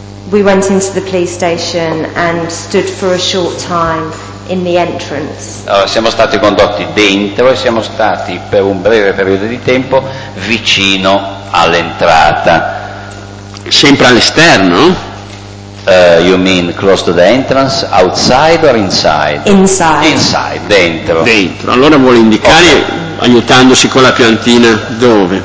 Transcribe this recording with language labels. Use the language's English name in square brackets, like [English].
[English] We went into the police station and stood for a short time in the entrance. [Italian] Allora, siamo stati condotti dentro e siamo stati per un breve periodo di tempo vicino all'entrata. Sempre all'esterno? [English] You mean close to the entrance, outside or inside? Inside. Inside, dentro. [Italian] Dentro. Allora vuole indicare, okay, aiutandosi con la piantina, dove?